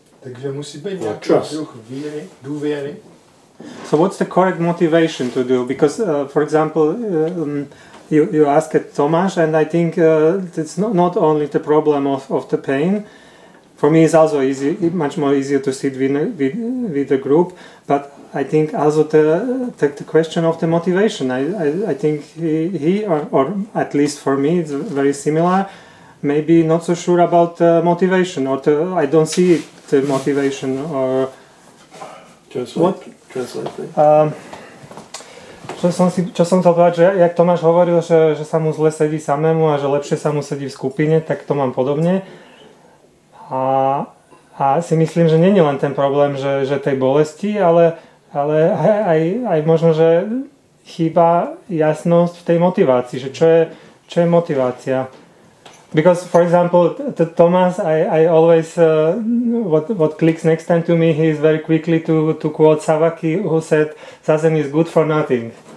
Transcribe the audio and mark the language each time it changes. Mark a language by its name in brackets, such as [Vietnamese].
[Czech] Takže musí být nějaký druh víry, důvěry. [English] So what's the correct motivation to do? Because, for example, you ask it Tomáš, and I think it's not only the problem of the pain. For me, it's also easy, much more easier to sit with a group. But I think also the question of the motivation. I think he or at least for me, it's very similar. Maybe not so sure about the motivation, or I don't see it, the motivation, or what. [Slovak] Čo som chcel povedať, že jak Tomáš hovoril, že sa mu zle sedí samému a že lepšie sa mu sedí v skupine, tak to mám podobne. A, A si myslím, že nie je len ten problém, že tej bolesti, ale, ale aj možno, že chýba jasnosť v tej motivácii, že čo je motivácia. [English] Because, for example, Thomas, I always, what clicks next time to me, he is very quickly to quote Savaki, who said, Sazen is good for nothing.